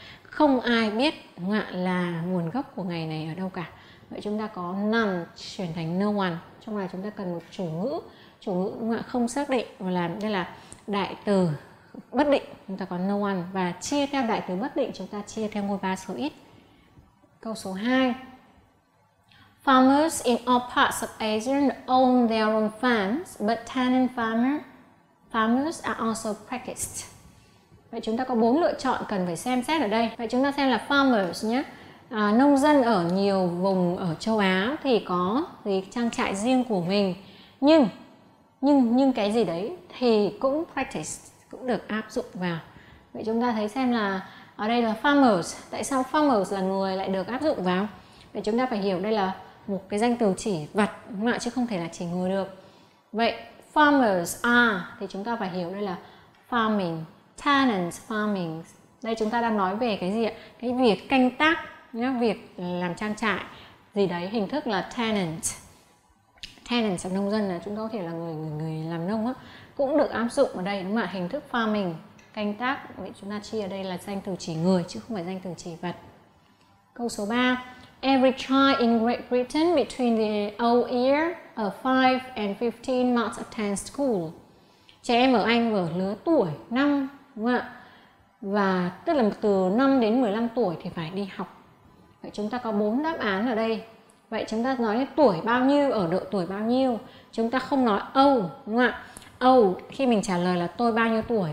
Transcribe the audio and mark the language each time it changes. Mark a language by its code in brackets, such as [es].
[vi] Không ai biết ngạ là nguồn gốc của ngày này ở đâu cả. Vậy chúng ta có none chuyển thành no one. Trong này chúng ta cần một chủ ngữ. Chủ ngữ ngạ không xác định, và là đây là đại từ bất định, chúng ta có no one. Và chia theo đại từ bất định, chúng ta chia theo ngôi ba số ít. Câu số 2. [en] Farmers in all parts of Asia own their own farms, but tenant farmers are also practiced. [vi] Vậy chúng ta có 4 lựa chọn cần phải xem xét ở đây. Vậy chúng ta xem là farmers nhé. Nông dân ở nhiều vùng ở châu Á thì có thì trang trại riêng của mình. Nhưng cái gì đấy thì cũng practiced, cũng được áp dụng vào. Vậy chúng ta thấy xem là ở đây là farmers. Tại sao farmers là người lại được áp dụng vào? Vậy chúng ta phải hiểu đây là một cái danh từ chỉ vật, chứ không thể là chỉ người được. Vậy farmers are thì chúng ta phải hiểu đây là farming, tenants farming. Đây chúng ta đang nói về cái gì ạ? Cái việc canh tác, nhá, việc làm trang trại gì đấy, hình thức là tenants. Tenants là nông dân, là chúng ta có thể là người làm nông á, cũng được áp dụng ở đây, đúng không ạ? Hình thức farming, canh tác. Vậy chúng ta chia ở đây là danh từ chỉ người chứ không phải danh từ chỉ vật. Câu số 3. [en] Every child in Great Britain between the old year of 5 and 15 must attend school. [vi] Trẻ em ở Anh ở lứa tuổi 5, đúng không ạ? Và tức là từ 5 đến 15 tuổi thì phải đi học. Vậy chúng ta có 4 đáp án ở đây. Vậy chúng ta nói tuổi bao nhiêu, ở độ tuổi bao nhiêu. Chúng ta không nói old, đúng không ạ? Old, khi mình trả lời là tôi bao nhiêu tuổi.